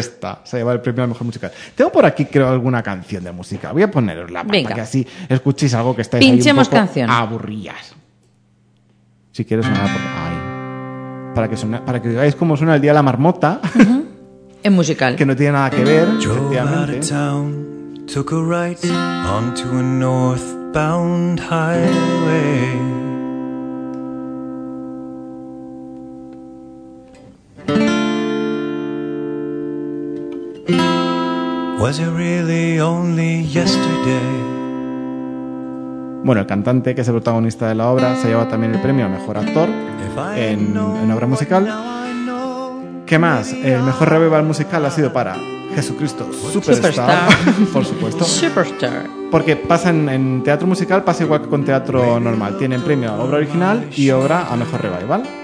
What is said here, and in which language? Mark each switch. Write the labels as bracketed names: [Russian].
[Spanish] Esta, se lleva el premio al mejor musical. Tengo por aquí, creo, alguna canción de música. Voy a ponerosla para que así escuchéis algo que estáis pinchemos ahí un poco canción. Aburrías. Si quieres sonar por ahí. Para que veáis cómo suena El día de la marmota. En musical. Que no tiene nada que ver, efectivamente. [English] Town, took a right onto a northbound highway. Was it really only yesterday? [Spanish] Bueno, el cantante, que es el protagonista de la obra, se lleva también el premio a mejor actor en obra musical. ¿Qué más? El mejor revival musical ha sido para Jesucristo Superstar. Por supuesto. Superstar. Porque pasa en teatro musical, pasa igual que con teatro normal. Tienen premio a obra original y obra a mejor revival.